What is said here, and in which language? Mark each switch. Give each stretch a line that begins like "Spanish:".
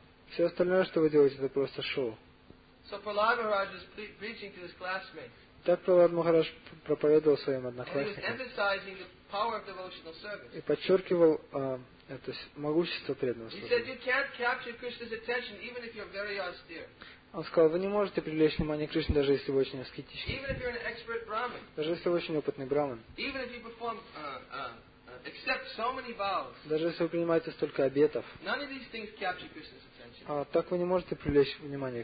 Russian: Все остальное, что вы делаете, это просто шоу.
English: So Prahlad Maharaj was preaching to his classmates.
Russian: Так Прахлад Махарадж проповедовал своим одноклассникам.
English: And he was emphasizing the power of devotional service.
Russian: И подчеркивал это могущество преданного
English: служения. He said, "You can't capture Krishna's attention even if you're very austere."
Russian: Он сказал, вы не можете привлечь внимание Кришны, даже если вы очень аскетичны.
English: Even if you're an expert brahmin.
Russian: Даже если вы очень опытный брахман.
English: Even if you perform accept so many vows.
Russian: Даже если вы принимаете столько обетов.
English: None of these things capture Krishna's attention.
Russian: Так вы не можете привлечь внимание